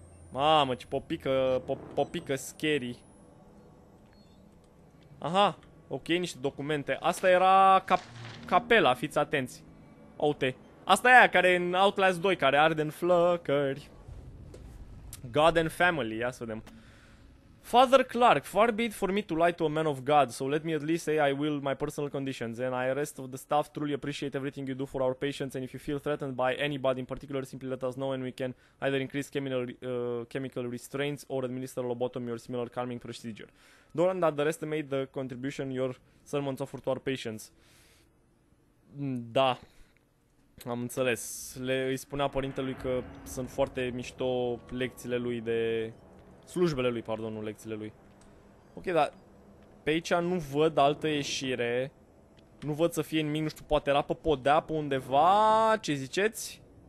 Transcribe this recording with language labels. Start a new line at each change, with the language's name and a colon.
Romanian: Mamă, ce popică, popică scary. Aha, ok, niște documente. Asta era capela, fiți atenți. Uite, asta e aia care e în Outlast 2, care arde în flăcări.
English: God and family,
Romanian: ia să vedem.
English: Father Clark, far be it for me to lie to a man of God, so let me at least say I will my personal conditions, and I rest of the staff truly appreciate everything you do for our patients, and if you feel threatened by anybody in particular, simply let us know and we can either increase chemical restraints or administer lobotomy or similar calming procedure. Don't underestimate the contribution your sermons offer to our patients.
Romanian: Da, am înțeles. Îi spunea părintelui că sunt foarte mișto lecțiile lui de... Slujbele lui, pardon, nu lecțiile lui. Ok, dar pe aici nu văd altă ieșire. Nu văd să fie nimic, nu știu, poate era pe podea, pe undeva, ce ziceți?